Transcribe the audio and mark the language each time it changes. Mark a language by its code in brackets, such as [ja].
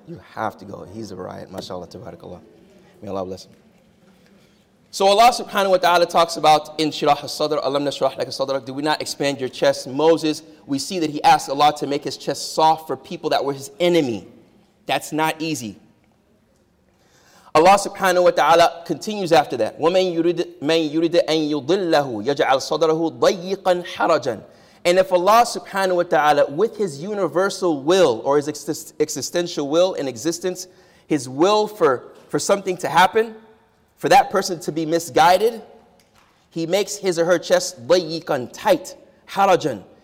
[en] You have to go. He's a riot. Mashallah, tabarakallah. May Allah bless him. So Allah subhanahu wa ta'ala talks about in shirah al-sadr, [ar] alam nashrah laka sadrak, [en] do we not expand your chest? Moses, we see that he asked Allah to make his chest soft for people that were his enemy. That's not easy. Allah subhanahu wa ta'ala continues after that. [ar] وَمَن يُرِدْ أَن يُضِلَّهُ يَجْعَلْ صَدْرَهُ ضَيِّقًا حَرَجًا. [en] And if Allah subhanahu wa ta'ala, with his universal will or his existential will in existence, his will for something to happen, for that person to be misguided, he makes his or her chest dayikan, tight, harajan.